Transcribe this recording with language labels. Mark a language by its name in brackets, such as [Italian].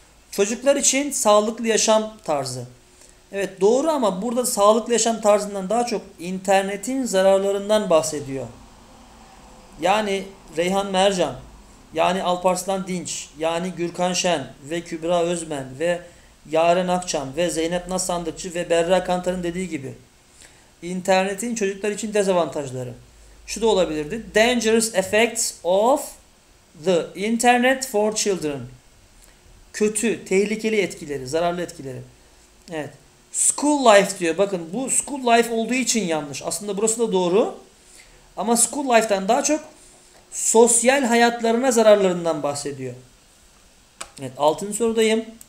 [Turkish] Çocuklar için sağlıklı yaşam tarzı. Evet doğru ama burada sağlıklı yaşam tarzından daha çok internetin zararlarından bahsediyor. Yani Reyhan Mercan, yani Alparslan Dinç, yani Gürkan Şen ve Kübra Özmen ve Yaren Akçam ve Zeynep Nasandıkçı ve Berra Kantar'ın dediği gibi internetin çocuklar için dezavantajları. Şu da olabilirdi. [English] Dangerous effects of the internet for children. [Turkish] Kötü, tehlikeli etkileri, zararlı etkileri. Evet. School life diyor. Bakın bu school life olduğu için yanlış. Aslında burası da doğru. Ama school life'tan daha çok sosyal hayatlarına zararlarından bahsediyor. Evet, 6. sorudayım.